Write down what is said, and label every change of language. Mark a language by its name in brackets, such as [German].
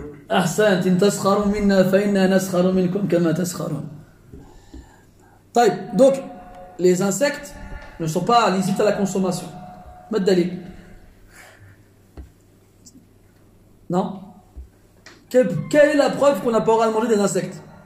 [Arabic] أحسنت إن تسخروا منا فإنا نسخر منكم كما تسخرون. طيب دوك [French] les insectes ne sont pas licites à la consommation. [Arabic] ما الدليل؟ Non. [French] Quelle est la preuve qu'on n'a pas le droit de manger des insectes?